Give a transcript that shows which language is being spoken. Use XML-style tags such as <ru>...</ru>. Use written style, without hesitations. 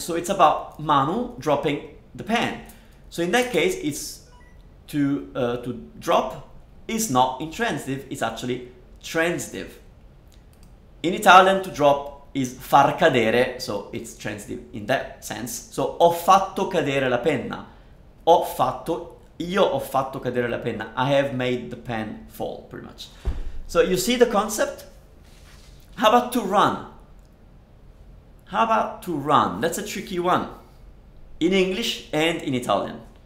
<en>So it's about Manu dropping the pen. So in that case, it's to drop is not intransitive, it's actually transitive. In Italian, to drop is far cadere, so it's transitive in that sense.</en> <it>So ho fatto cadere la penna. Ho fatto, io ho fatto cadere la penna.</it> <en>I have made the pen fall, pretty much. So you see the concept? How about to run? How about to run? That's a tricky one. In English and in Italian.</en>